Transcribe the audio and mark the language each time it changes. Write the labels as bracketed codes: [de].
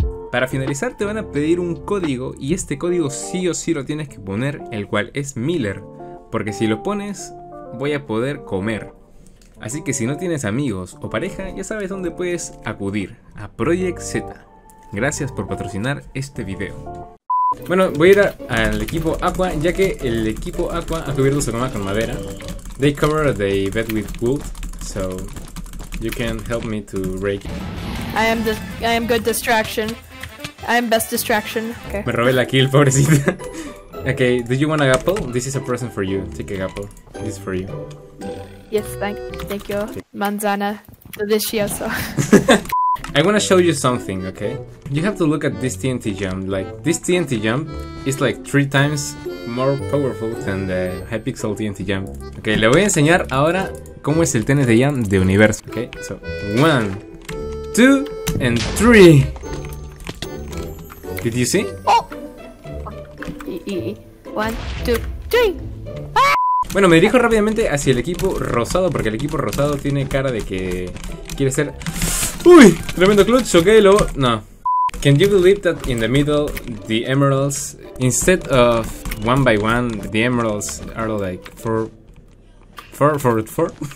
[es] Para finalizar te van a pedir un código y este código sí o sí lo tienes que poner, el cual es Miller, porque si lo pones voy a poder comer. Así que si no tienes amigos o pareja, ya sabes dónde puedes acudir, a Project Z. Gracias por patrocinar este video. Bueno, voy a ir al equipo Aqua, ya que el equipo Aqua ha cubierto su cama con madera. [en] They cover the bed with wood, so you can help me to rake it. I am good distraction. I am best distraction. Okay. [es] Me robé la kill, pobrecita. [en] Okay, do you want a gapple? This is a present for you. Take a gapple. This is for you. Yes, thank you. [es] Manzana. Delicioso. [en] I want to show you something, okay? You have to look at this TNT jump. Like, this TNT jump is like 3 times more powerful than the Hypixel TNT jump. [es] Okay, le voy a enseñar ahora cómo es el TNT jump de universo. [en] Okay, so 1, 2, and 3. Did you see? Oh! 1, 2, 3! [es] Bueno, me dirijo rápidamente hacia el equipo rosado, porque el equipo rosado tiene cara de que quiere ser... ¡Uy! Tremendo clutch, ok, luego... No. [en] Can you believe that in the middle, the emeralds, instead of one by one, the emeralds are like 4x4?